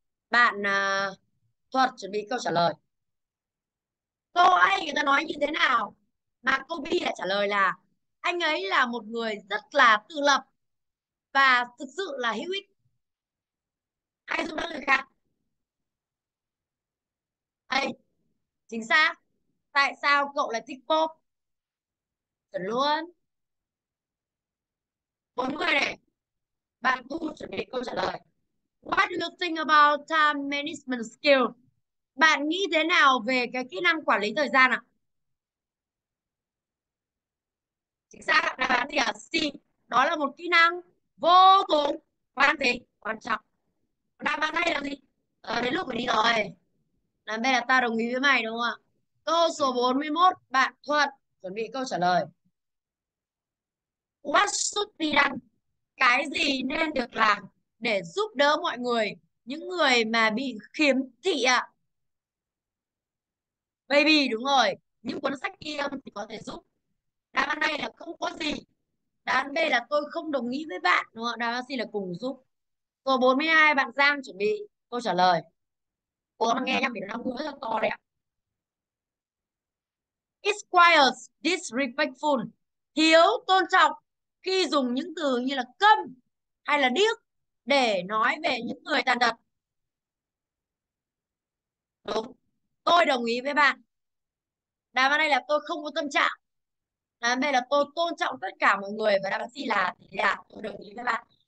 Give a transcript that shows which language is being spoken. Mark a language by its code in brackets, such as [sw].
[vi] Bạn Thuật chuẩn bị câu trả lời. Câu ấy người ta nói như thế nào mà cô Bi lại trả lời là anh ấy là một người rất là tự lập và thực sự là hữu ích hay giúp đỡ người khác. Ê, chính xác. Tại sao cậu lại thích pop? Chuẩn luôn. 40 này. Bạn Thu chuẩn bị câu trả lời. [en] What do you think about time management skill? [vi] Bạn nghĩ thế nào về cái kỹ năng quản lý thời gian ạ? Chính xác, đáp án thì là C. Đó là một kỹ năng vô cùng quan trọng. Quan trọng. Đáp án hay là gì? Đến lúc phải đi rồi. Làm đây là ta đồng ý với mày đúng không ạ? Câu số 41, bạn Thuận chuẩn bị câu trả lời. [en] What should be done? [vi] Cái gì nên được làm để giúp đỡ mọi người, những người mà bị khiếm thị ạ? Baby đúng rồi, những cuốn sách ghi âm thì có thể giúp. Đáp án này là không có gì. Đáp án B là tôi không đồng ý với bạn đúng không? Đáp án C là cùng giúp. Câu 42, bạn Giang chuẩn bị câu trả lời. Cô mà nghe nhá, biển nó rất to đấy ạ. [en] It's quite disrespectful. [vi] Thiếu tôn trọng khi dùng những từ như là câm hay là điếc để nói về những người tàn tật. Đúng. Tôi đồng ý với bạn. Đáp án này là tôi không có tâm trạng. Đáp án này là tôi tôn trọng tất cả mọi người. Và đáp án C là thì là tôi đồng ý với bạn.